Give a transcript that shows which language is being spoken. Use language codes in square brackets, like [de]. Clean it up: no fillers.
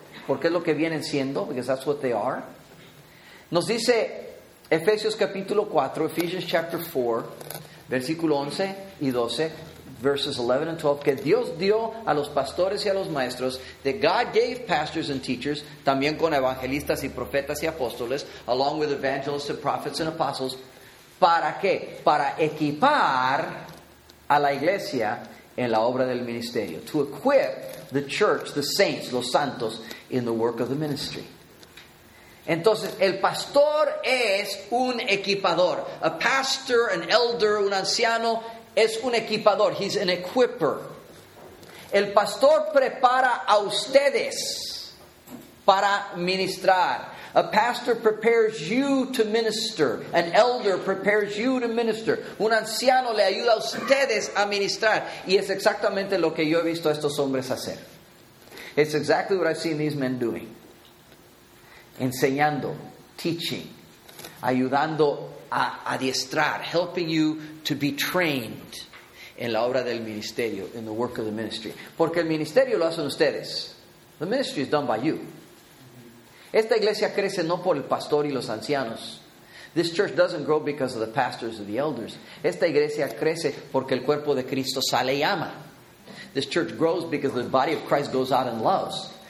[es] Porque es lo que vienen siendo, [en] because that's what they are. [es] Nos dice Efesios capítulo 4, [en] Ephesians chapter 4, [es] versículo 11 y 12, [en] verses 11 and 12, [es] que Dios dio a los pastores y a los maestros, [en] that God gave pastors and teachers, [es] también con evangelistas y profetas y apóstoles, [en] along with evangelists and prophets and apostles, [es] ¿para qué? Para equipar a la iglesia en la obra del ministerio. [en] To equip the church, the saints, [es] los santos, [en] in the work of the ministry. [es] Entonces, el pastor es un equipador. [en] A pastor, an elder, [es] un anciano, es un equipador. [en] He's an equipper. [es] El pastor prepara a ustedes para ministrar. [en] A pastor prepares you to minister. An elder prepares you to minister. [es] Un anciano le ayuda a ustedes a ministrar. Y es exactamente lo que yo he visto a estos hombres hacer. [en] It's exactly what I've seen these men doing. [es] Enseñando, [en] teaching, [es] ayudando a adiestrar, [en] helping you to be trained [es] en la obra del ministerio, [en] in the work of the ministry. [es] Porque el ministerio lo hacen ustedes. [en] The ministry is done by you. [es] Esta iglesia crece no por el pastor y los ancianos. [en] This church doesn't grow because of the pastors or the elders. [es] Esta iglesia crece porque el cuerpo de Cristo sale y ama. [en] This church grows because the body of Christ goes out and loves.